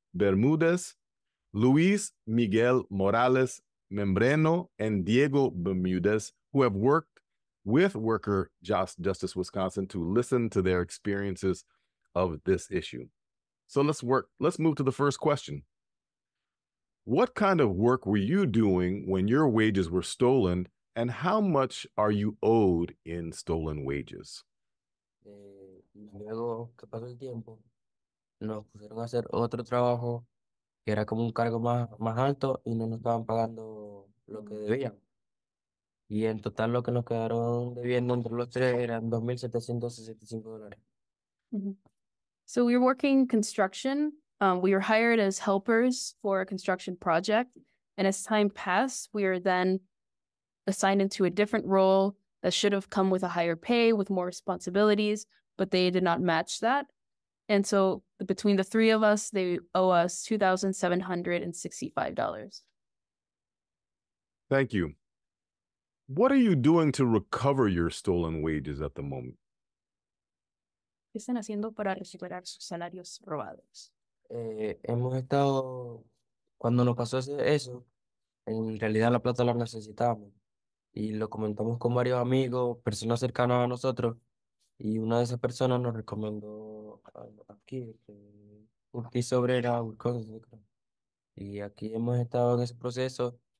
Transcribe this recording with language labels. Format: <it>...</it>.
<en>Bermudez, Luis Miguel Morales Membreno, and Diego Bermudez, who have worked with Worker Justice Wisconsin to listen to their experiences of this issue. So let's move to the first question. What kind of work were you doing when your wages were stolen, and how much are you owed in stolen wages?</en> <es>Luego que pasó el tiempo, nos pusieron a hacer otro trabajo que era como un cargo más alto y no nos estaban pagando lo que debían. Y en total lo que nos quedaron debiendo entre los tres eran $2,765.</es> <en>So we were working construction. We were hired as helpers for a construction project. And as time passed, we were then assigned into a different role that should have come with a higher pay, with more responsibilities, but they did not match that. And so between the three of us, they owe us $2,765. Thank you. What are you doing to recover your stolen wages at the moment?</en> <es>¿Qué están haciendo para recuperar sus salarios robados? Hemos estado, cuando nos pasó eso, en realidad la plata la necesitábamos. Y lo comentamos con varios amigos, personas cercanas a nosotros, y una de esas personas nos recomendó aquí, un piso obrera, y aquí hemos estado en ese proceso.</es>